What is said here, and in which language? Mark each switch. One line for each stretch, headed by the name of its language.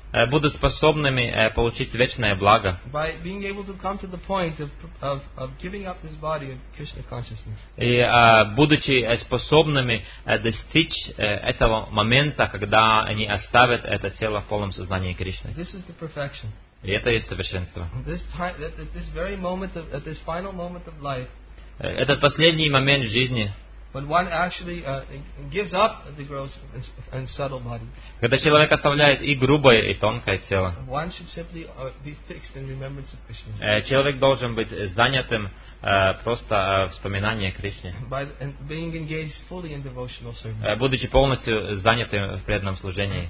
Russian: будут способными получить вечное благо, и будучи способными достичь этого момента, когда они оставят это тело в полном сознании Кришны.
English: This is the perfection.
Russian: И это есть совершенство.
English: This very moment of, this final moment of life,
Russian: этот последний момент жизни,
English: when one actually gives up the gross and subtle body.
Russian: Когда человек оставляет и грубое, и тонкое тело.
English: One should simply be fixed in remembrance of Krishna.
Russian: Человек должен быть занятым просто вспоминание Кришне.
English: By being engaged fully in devotional service.
Russian: Будучи полностью занятым в преданном служении.